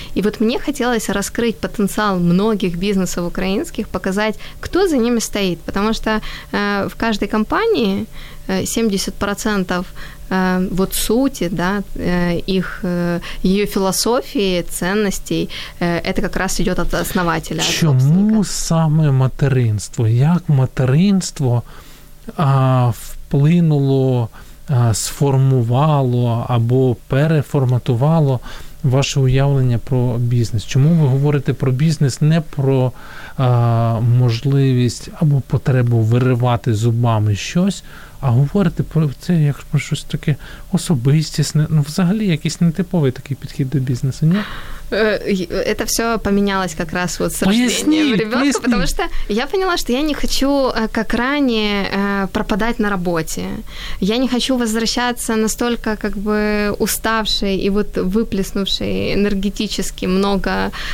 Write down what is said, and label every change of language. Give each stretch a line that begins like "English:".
Russian: И вот мне хотелось раскрыть потенциал многих бизнесов украинских, показать, кто за ними стоит. Потому что в каждой компании 70% вот сути, да, их, ее философии, ценностей, это как раз идет от основателя.
Ukrainian: Чому саме материнство? Як материнство вплинуло, сформувало або переформатувало ваше уявлення про бізнес? Чому ви говорите про бізнес, не про можливість або потребу виривати зубами щось, а говорите про це як про щось таке особистісне, ну, взагалі якийсь нетиповий такий підхід до бізнесу, ні?
Russian: Это все поменялось как раз вот с рождением ребенка, потому что я поняла, что я не хочу, как ранее, пропадать на работе. Я не хочу возвращаться настолько как бы уставшей и вот выплеснувшей энергетически много...